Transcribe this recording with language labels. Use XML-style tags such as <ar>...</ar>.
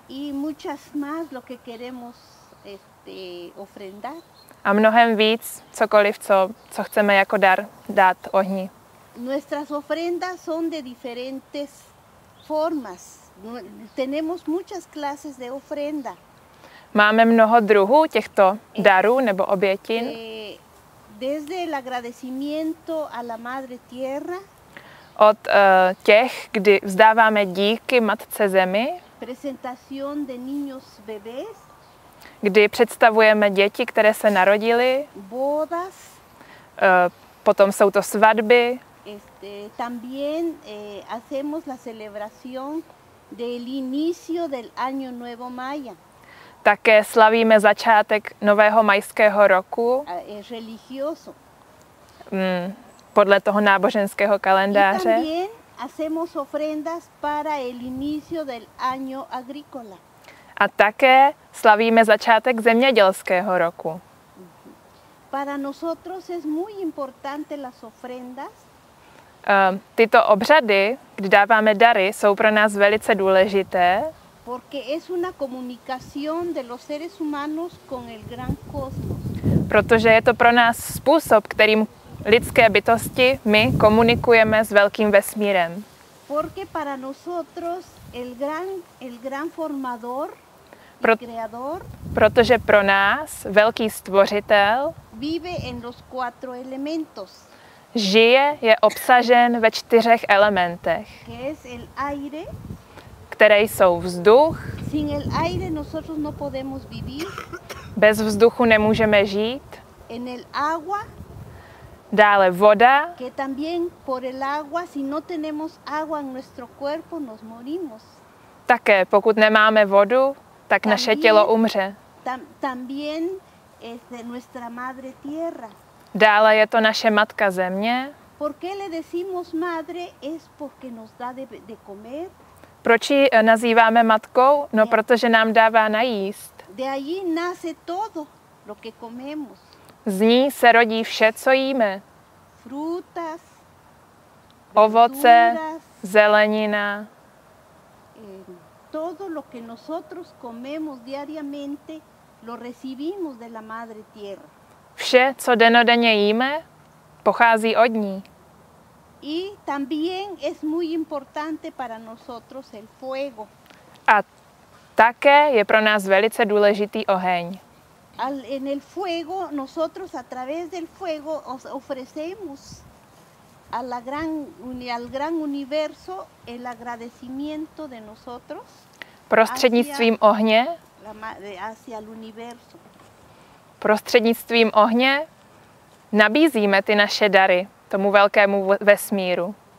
<es>Y muchas más lo que queremos ofrendar.</es> <cs>A mnohem víc, cokoliv, co chceme jako dar dát ohni.</cs> <es>Nuestras ofrendas son de diferentes formas. Tenemos muchas clases de ofrenda.</es> <cs>Máme mnoho druhů těchto darů nebo obětin.</cs> <es>Desde el agradecimiento a la madre tierra.</es> <cs>Od těch, kdy vzdáváme díky matce zemi.</cs> <es>Presentación de niños bebés.</es> <cs>Kdy představujeme děti, které se narodily.</cs> <es>Bodas.</es> <cs>potom jsou to svatby.</cs> <es>Este, también hacemos la celebración del inicio del año nuevo maya.</es> <cs>Také slavíme začátek nového majského roku.</cs> <es>Religioso.</es> <cs>Podle toho náboženského kalendáře.</cs> <es>Y también hacemos ofrendas para el inicio del año agrícola.</es> <cs>A také slavíme začátek zemědělského roku.</cs> <es>Para nosotros es muy importante las ofrendas.</es> <cs>Tyto obřady, kdy dáváme dary, jsou pro nás velice důležité.</cs> <es>Porque es una comunicación de los seres humanos con el gran cosmos.</es> <cs>Protože je to pro nás způsob, kterým lidské bytosti my komunikujeme s velkým vesmírem.</cs> <es>Porque para nosotros el gran formador creador,</es> <cs>protože pro nás velký stvořitel</cs> <es>vive en los cuatro elementos.</es> <cs>Žije, je obsažen ve čtyřech elementech.</cs> <es>Que es el aire,</es> <cs>které jsou vzduch.</cs> <es>Sin el aire nosotros no podemos vivir.</es> <cs>Bez vzduchu nemůžeme žít.</cs> <es>En el agua,</es> <cs>dále voda.</cs> <es>Que también por el agua, si no tenemos agua en nuestro cuerpo, nos morimos.</es> <cs>Také, pokud nemáme vodu, tak</cs> <es>también,</es> <cs>naše tělo umře.</cs> <es>También es de nuestra madre tierra.</es> <cs>Dále je to naše matka země.</cs> <es>¿Por qué le decimos madre? Es porque nos da de comer.</es> <cs>Proč ji nazýváme matkou? No, protože nám dává najíst.</cs> <es>De ahí nace todo lo que comemos.</es> <cs>Z ní se rodí vše, co jíme.</cs> <es>Frutas,</es> <cs>ovoce,</cs> <es>verduras,</es> <cs>zelenina.</cs> <es>Todo lo que nosotros comemos diariamente lo recibimos de la madre tierra.</es> <cs>Vše, co dennodenně jíme, pochází od ní.</cs> <es>Y también es muy importante para nosotros el fuego.</es> <cs>A také je pro nás velice důležitý oheň.</cs> <es>En el fuego nosotros a través del fuego ofrecemos al gran universo el agradecimiento de nosotros.</es> <cs>Prostřednictvím ohně.</cs> <es>Hacia el universo.</es> <cs>Prostřednictvím ohně nabízíme ty naše dary tomu velkému vesmíru.</cs>